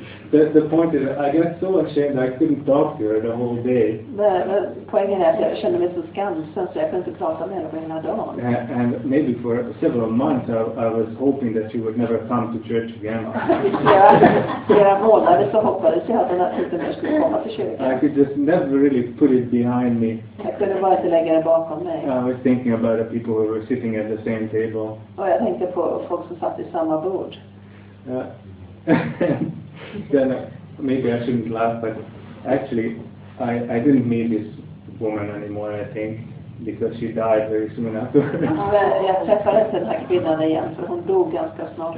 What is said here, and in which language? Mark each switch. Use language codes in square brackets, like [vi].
[en] The point is, I got so ashamed I couldn't talk to her the whole day. [sv] Men poängen är att jag kände mig så skamsen så jag kunde inte prata med henne på hela dagen. [en] And maybe for several months I was hoping that she would never come to church again. [sv] Ja, flera månader så hoppades jag att den här tiden jag skulle komma till kyrkan. [en] I could just never really put it behind me. [sv] Jag kunde bara inte lägga det bakom mig. [en] I was thinking about the people who were sitting at the same table. [sv] Och jag tänkte på folk som satt i samma bord. [en] Then maybe I shouldn't laugh, but actually I didn't meet this woman anymore, I think, because she died very soon after. [sv] Jag träffade inte den här kvinnan igen, för hon dog ganska snart.